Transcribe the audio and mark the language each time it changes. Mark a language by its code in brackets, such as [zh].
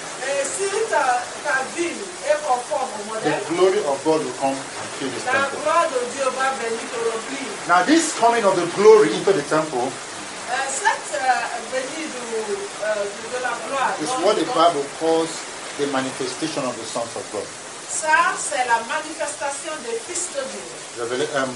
[fr] Et si ta vie est conforme au modèle. [en] The glory of God will come and fill this temple. [fr] La gloire de Dieu va venir te remplir. [en] Now this coming of the glory into the temple. [fr] Cette venue de la gloire. [en] Is what the Bible calls the manifestation of the sons of God. [fr] Ça, c'est la manifestation des fils de Dieu.